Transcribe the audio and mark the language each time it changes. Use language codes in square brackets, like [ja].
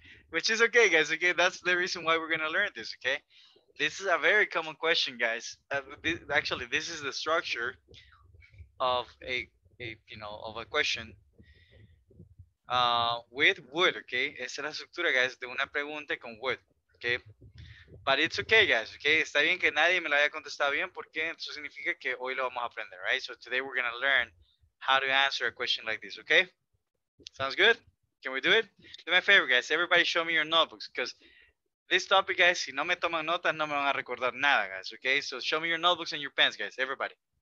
[en] Which is okay, guys, okay? That's the reason why we're going to learn this, okay? This is a very common question, guys. This is the structure of a question with would, okay? [es] Esa es la estructura, guys, de una pregunta con would, okay? [en] But it's okay, guys, okay? [es] Está bien que nadie me lo haya contestado bien porque eso significa que hoy lo vamos a aprender, right? [en] So today we're going to learn how to answer a question like this, okay? Sounds good? Can we do it? Do me a favor, guys. Everybody show me your notebooks because this topic, guys, [es] si no me toman notas, no me van a recordar nada, [en] guys, okay? So show me your notebooks and your pens, guys, everybody.